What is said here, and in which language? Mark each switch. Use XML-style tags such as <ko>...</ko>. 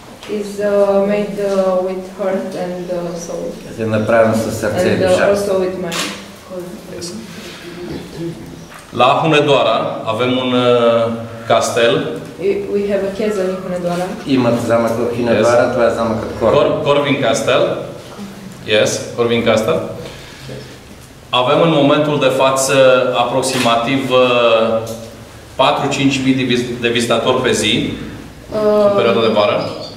<en>Is made with heart and soul.</en> <bg>Е направен със сърце и душа.</bg> <en>And also with mind. Yes.</en> <ro>La Hun Edoara avem un castel.</ro> <en>We have a castle in Hun Edoara.</en> <bg>Имат замък в Hun Edoara, това е замъкът</bg> <en>Corvin Castel. Yes, Corvin Castel.</en> <ro>Avem în momentul de față aproximativ 4-5 mii de vizitatori pe zi, în perioada de vară.</ro>